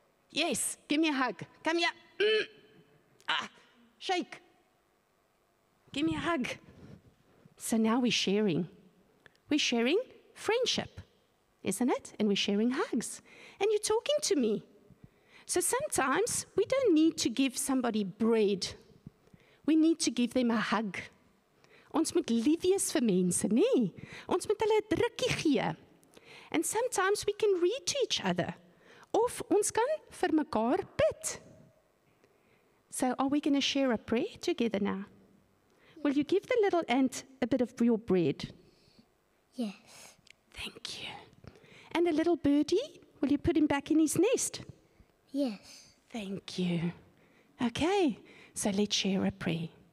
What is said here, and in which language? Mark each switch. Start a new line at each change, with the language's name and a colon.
English: Yes, give me a hug. Come here. Ah, shake. Give me a hug. So now we're sharing. We're sharing. Friendship, isn't it? And we're sharing hugs. And you're talking to me. So sometimes we don't need to give somebody bread. we need to give them a hug.
Afrikaans: Ons moet lief wees vir mense, nee. Ons moet hulle 'n drukkie gee.
English: And sometimes we can read to each other.
Afrikaans: Of ons kan vir mekaar bid.
English: So are we going to share a prayer together now? Will you give the little ant a bit of your bread? Yes. Thank you. And the little birdie, will you put him back in his nest? Yes. Thank you. Okay, so let's share a prayer.